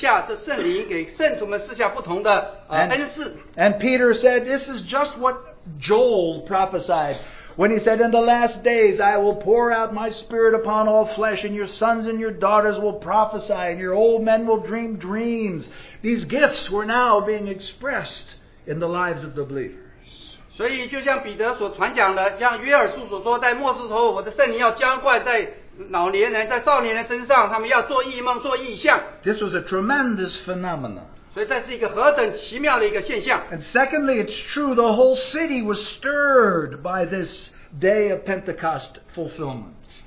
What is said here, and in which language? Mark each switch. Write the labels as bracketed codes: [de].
[zh] 所以的确圣灵来的时候他就赐下这圣灵给圣徒们赐下不同的恩赐。 [en] And Peter said, this is just what Joel prophesied when he said, in the last days I will pour out my spirit upon all flesh, and your sons and your daughters will prophesy, and your old men will dream dreams. These gifts were now being expressed in the lives of the believers. [zh] 所以就像彼得所传讲的，像约珥书所说，在末世时候我的圣灵要浇灌在 老年人在少年人身上，他们要做异梦，做异象。 [en] This was a tremendous phenomenon. [zh] 所以这是一个何等奇妙的一个现象。 [en] And secondly, it's true, the whole city was stirred by this day of Pentecost fulfillment.